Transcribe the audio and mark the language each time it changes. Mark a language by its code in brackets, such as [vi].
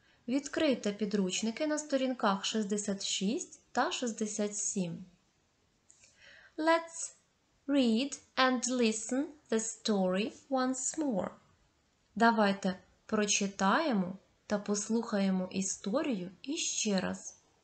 [uk] Відкрийте підручники на сторінках 66 та 67. [en] Let's read and listen the story once more. [uk] Давайте прочитаємо та послухаємо історію іще раз.